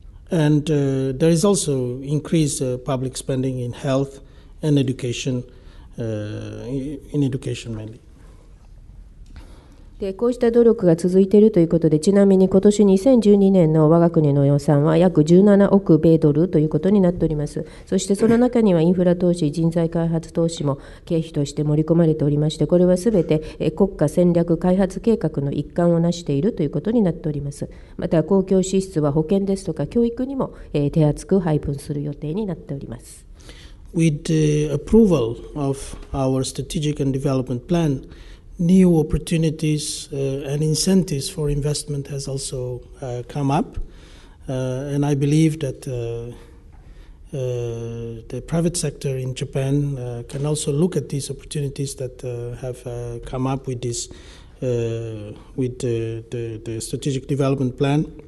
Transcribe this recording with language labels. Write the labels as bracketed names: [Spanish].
[English] And there is also increased public spending in health and education, in education mainly. [Japanese] でこうした努力が続いているということで、ちなみに今年2012年の我が国の予算は約17億米ドルということになっております。そしてその中にはインフラ投資、人材開発投資も経費として盛り込まれておりまして、これはすべて国家戦略開発計画の一環を成しているということになっております。また公共支出は保険ですとか教育にも手厚く配分する予定になっております。 [English] With the approval of our strategic and development plan, new opportunities and incentives for investment has also come up. And I believe that the private sector in Japan can also look at these opportunities that have come up with this with the strategic development plan.